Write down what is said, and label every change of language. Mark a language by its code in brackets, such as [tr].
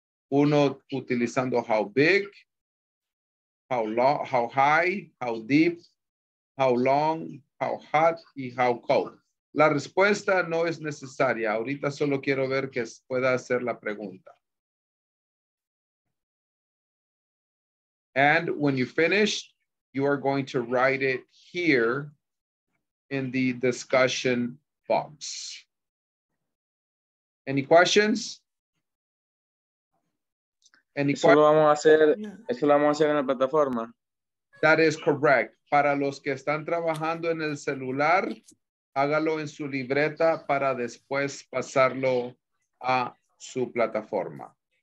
[es] Uno utilizando [en] how big, how long, how high, how deep, how long, how hot, y how cold. [es] La respuesta no es necesaria. Ahorita solo quiero ver que pueda hacer la pregunta. [en] And when you finish, you are going to write it here in the discussion box. Any questions? [es] Eso lo vamos a hacer en la plataforma. [en] That is correct. [es] Para los que están trabajando en el celular, hágalo en su libreta para después pasarlo a su plataforma.